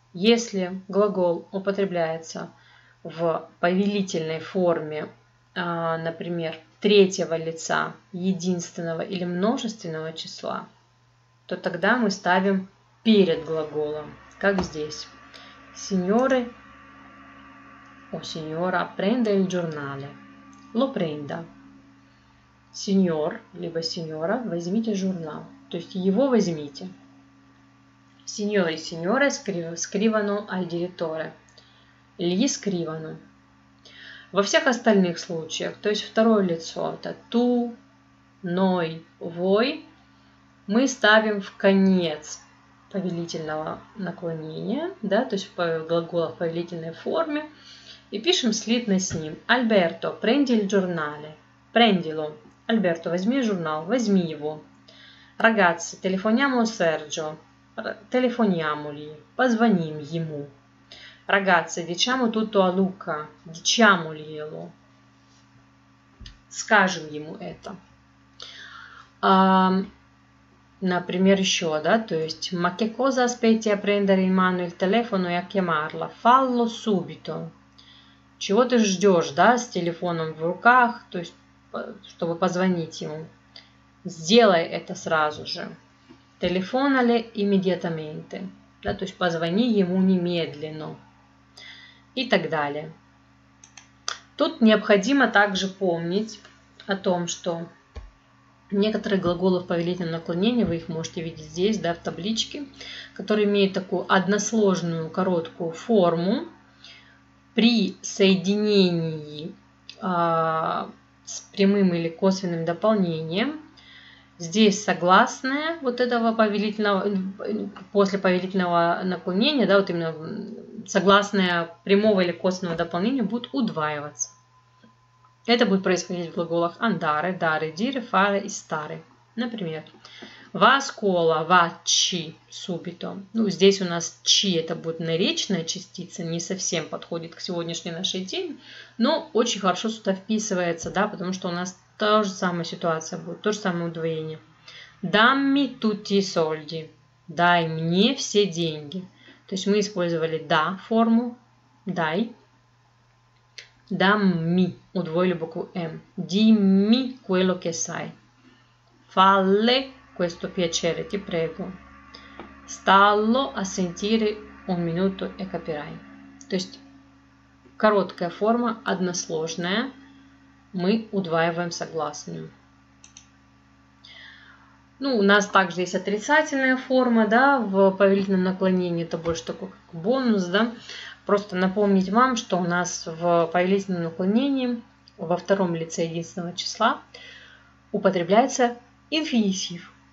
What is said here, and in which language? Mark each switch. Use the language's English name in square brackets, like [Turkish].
[Russian] Если глагол употребляется в повелительной форме, например, третьего лица, единственного или множественного числа, то тогда мы ставим перед глаголом, как здесь. [Italian] Signore, o signora, prende il giornale. Lo prenda. [Russian] Signor, либо signora, возьмите журнал. То есть его возьмите. [Italian] Signori, signore, scrivano al direttore. Gli scrivono. [Russian] Во всех остальных случаях, то есть второе лицо, это tu, noi, voi, мы ставим в конец повелительного наклонения, да, то есть глагола в повелительной форме, и пишем слитно с ним. [Italian] Alberto, prendi il giornale. Prendilo. [Russian] Alberto, возьми журнал, возьми его. [Italian] Ragazzi, telefoniamo Sergio. Telefoniamogli. [Russian] Позвоним ему. [Italian] Ragazzi, diciamo tutto a Luca. Diciamoglielo. [Russian] Скажем ему это. Например, еще, да, то есть [Italian] ma che cosa aspetti a prendere in mano il telefono e a chiamarla? Fallo subito. [Russian] Чего ты ждешь, да, с телефоном в руках, то есть, чтобы позвонить ему? Сделай это сразу же. [Italian] Telefonale immediatamente. [Russian] Да, то есть, позвони ему немедленно. И так далее. Тут необходимо также помнить о том, что некоторые глаголы в повелительном наклонении, вы их можете видеть здесь, да, в табличке, которые имеют такую односложную короткую форму, при соединении с прямым или косвенным дополнением, здесь согласное вот этого повелительного, после повелительного наклонения, да, вот именно согласное прямого или косвенного дополнения будет удваиваться. Это будет происходить в глаголах andare, dare, dire, fare и stare. Например, [Italian] va a scuola, va ci, subito. [Russian] Ну, здесь у нас ci, это будет наречная частица, не совсем подходит к сегодняшней нашей теме, но очень хорошо сюда вписывается, да, потому что у нас та же самая ситуация будет, то же самое удвоение. [Italian] Dammi tutti i soldi, [Russian] дай мне все деньги. То есть мы использовали da форму, дай. Dammi, удвоили букву m. [Italian] Dimmi quello che sai. Falle questo piacere, ti prego. Stallo a sentire un minuto e capirai. [Russian] То есть, короткая форма, односложная. Мы удваиваем согласную. Ну, у нас также есть отрицательная форма, да, в повелительном наклонении. Это больше такой как бонус, да. Просто напомнить вам, что у нас в повелительном наклонении во втором лице единственного числа употребляется инфинитив.